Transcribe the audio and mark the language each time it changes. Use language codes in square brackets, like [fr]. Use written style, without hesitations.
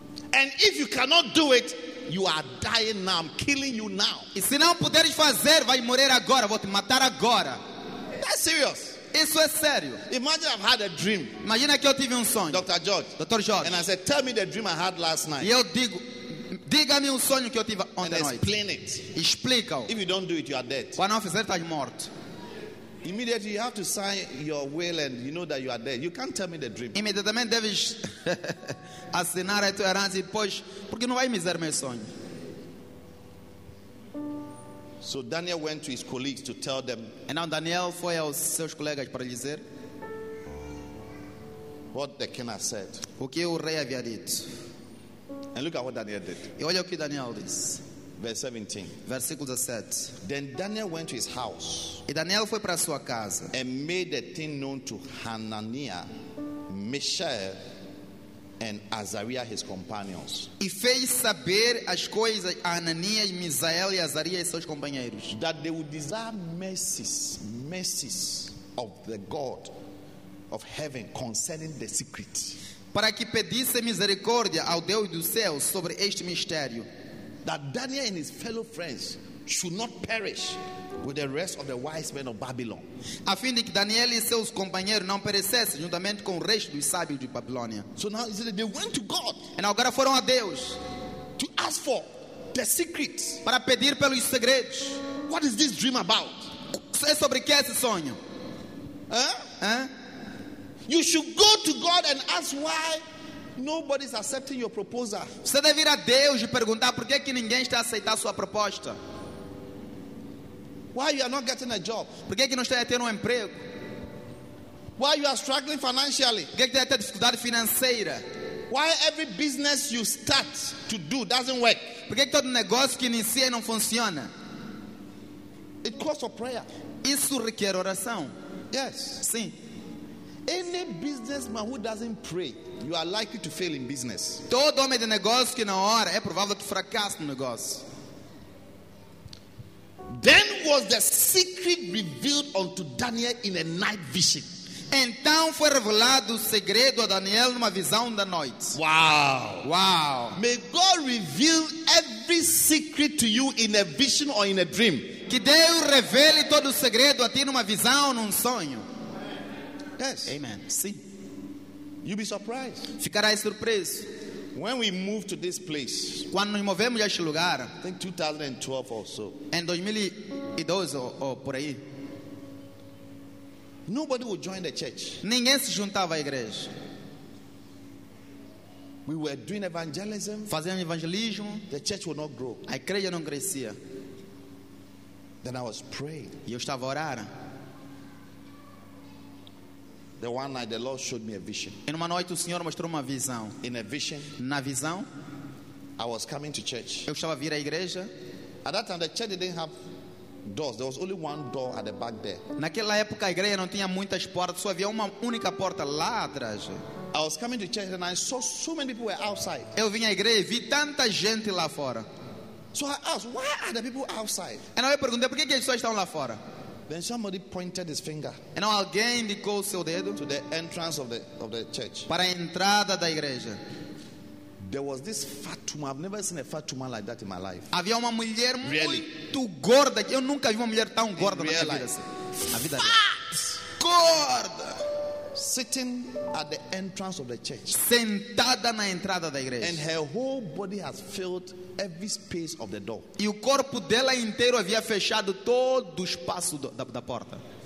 [en] And if you cannot do it, you are dying now. I'm killing you now. [pt] E se não puderes fazer, vai morrer agora. Vou te matar agora. [en] That's serious. [pt] Isso é sério. [en] Imagine I've had a dream. [pt] Imagina que eu tive sonho. [en] Dr. George. Dr. George. And I said, "Tell me the dream I had last night." [pt] E eu digo, diga-me sonho que eu tive ontem à noite. [en] And explain it. [pt] Explica-o. [en] If you don't do it, you are dead. [pt] Quando não fizer, estás morto. [en] Immediately you have to sign your will and you know that you are dead. You can't tell me the dream. [pt] Imediatamente deves assinar a tua herança e depois, porque não vai me dizer meu sonho. [en] So Daniel went to his colleagues to tell them. [pt] E now Daniel foi aos seus colegas para lhes dizer [en] what the king has said. [pt] O que o rei havia dito. [en] And look at what Daniel did. [pt] E olha o que Daniel disse. [en] Verse 17. [pt] Versículo 17. [en] Then Daniel went to his house. [pt] E Daniel foi para sua casa. [en] And made the thing known to Hananiah, Mishael, and Azariah his companions. [pt] E fez saber as coisas a Ananias, Misael e Azariah e seus companheiros. [en] That they would desire mercies of the God of heaven concerning the secret. [pt] para que pedisse misericórdia ao Deus do céu sobre este mistério. [en] That Daniel and his fellow friends should not perish with the rest of the wise men of Babylon. [pt] A fim de que Daniel e seus companheiros não perecessem juntamente com o resto dos sábios de Babilônia. [en] So now they went to God. [pt] E agora foram a Deus. [en] To ask for the secrets. [pt] Para pedir pelos segredos. [en] What is this dream about? [pt] É sobre que é esse sonho? [en] You should go to God and ask why nobody's accepting your proposal. [pt] Você deve ir a Deus e perguntar por que que ninguém está a aceitar sua proposta. [en] Why you are not getting a job? [pt] Por que que não está a ter emprego? [en] Why you are struggling financially? [pt] Por que que está a ter dificuldade financeira? [en] Why every business you start to do doesn't work? [pt] Por que que todo negócio que inicia não funciona? [en] It calls for prayer. [pt] Isso requer oração. [en] Yes. [pt] Sim. [en] Any businessman who doesn't pray, you are likely to fail in business. [pt] Todo homem de negócio que não ora é provável que fracasse no negócio. [en] Then was the secret revealed unto Daniel in a night vision. [pt] Então foi revelado o segredo a Daniel numa visão da noite. [en] Wow. Wow. May God reveal every secret to you in a vision or in a dream. [pt] Que Deus revele todo o segredo a ti numa visão ou num sonho. [en] Yes. [pt] Amen. [en] Sim. You'll be surprised. [pt] Ficará surpreso. [en] When we moved to this place, [pt] quando nos movemos a este lugar, [en] I think 2012 or so. [pt] Em 2012 ou por aí. [en] Nobody would join the church. [pt] Ninguém se juntava à igreja. [en] We were doing evangelism. [pt] Fazendo evangelismo. [en] The church would not grow. [pt] A igreja não crescia. [en] Then I was praying. [pt] E eu estava a orar. [en] The one night the Lord showed me a vision. [pt] Em uma noite o Senhor mostrou uma visão. [en] In a vision, [pt] na visão, [en] I was coming to church. [pt] Eu estava a vir à igreja. [en] At that time the church didn't have doors. There was only one door at the back there. [pt] Naquela época a igreja não tinha muitas portas, só havia uma única porta lá atrás. [en] I was coming to church and I saw so many people were outside. [pt] Eu vim à igreja e vi tanta gente lá fora. [en] So I asked, why are the people outside? [pt] E eu perguntei, por que as pessoas estão lá fora? [en] Then somebody pointed his finger. And now again he called [pt] seu dedo [en] to the entrance of the church. [pt] Para a entrada da igreja. [en] There was this fat woman. I've never seen a fat woman like that in my life. [pt] Havia uma mulher muito gorda. Eu nunca vi uma mulher tão gorda na minha vida. Assim. Na vida [en] fat! [pt] Gorda! [en] Sitting at the entrance of the church. [pt] Sentada na entrada da igreja. [en] And her whole body has filled every space of the door. [pt] E o corpo dela inteiro havia fechado todo o espaço da porta.